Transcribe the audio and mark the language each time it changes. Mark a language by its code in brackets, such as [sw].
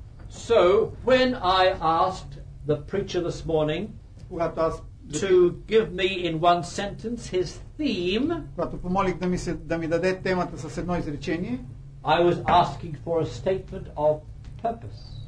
[en] So, when I asked the preacher this morning to give me in one sentence his theme, [bg] когато помолих да ми даде темата с едно изречение, [en] I was asking for a statement of purpose.